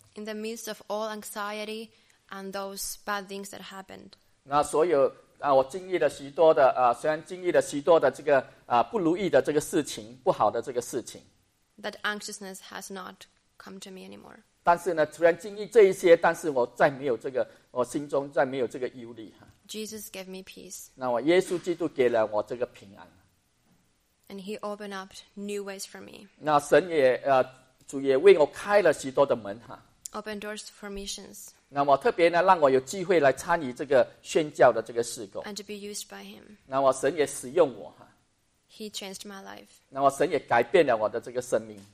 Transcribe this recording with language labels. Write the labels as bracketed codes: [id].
[en] In the midst of all anxiety and those bad things that happened. [zh] 那所有我经历了许多的虽然经历了许多的这个不如意的这个事情，不好的这个事情。 [en] That anxiousness has not come to me anymore. [zh] 但是呢，虽然经历这一些，但是我再没有这个，我心中再没有这个忧虑。 [en] Jesus gave me peace. [zh] 那我耶稣基督给了我这个平安。 [en] And He opened up new ways for me. [zh] 那神也主也为我开了许多的门哈。 [en] Open doors for missions. [zh] 那么特别呢，让我有机会来参与这个宣教的这个事工。 [en] And to be used by Him. [zh] 那么神也使用我。 [en] He changed my life. [zh] 那么神也改变了我的这个生命。